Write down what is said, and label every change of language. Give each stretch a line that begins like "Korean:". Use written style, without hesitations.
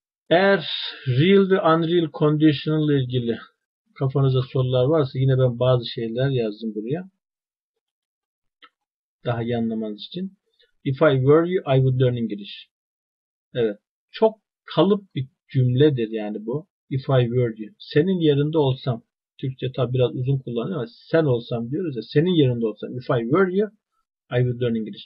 Turkish: Eğer real ve unreal conditional ile ilgili kafanızda sorular varsa yine ben bazı şeyler yazdım buraya. Daha iyi anlamanız için.
English: If I were you, I would learn English.
Turkish: Evet. Çok kalıp bir cümledir yani bu.
English: If I were you.
Turkish: Senin yerinde olsam. Türkçe tabi biraz uzun kullanıyor ama sen olsam diyoruz ya. Senin yerinde olsam.
English: If I were you, I would learn English.